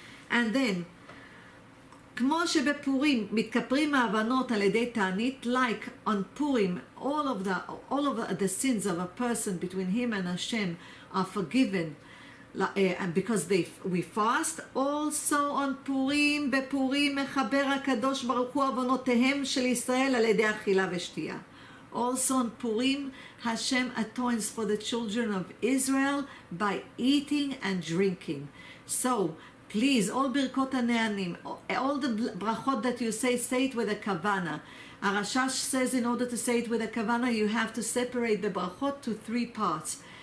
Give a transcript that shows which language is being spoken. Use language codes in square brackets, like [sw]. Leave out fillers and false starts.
[en] And then, [he] כמו שבפורים מתכפרים ההבנות על ידי תענית, [en] like on Purim, all of the sins of a person between him and Hashem are forgiven because we fast. Also on Purim, [he] בפורים מחבר הקדוש ברוך הוא הבנותיהם של ישראל על ידי אכילה ושתייה. [en] Also on Purim, Hashem atones for the children of Israel by eating and drinking. So, please, all Birkot HaNe'anim, all the brachot that you say it with a kavana. Arashash says in order to say it with a kavana, you have to separate the brachot to three parts.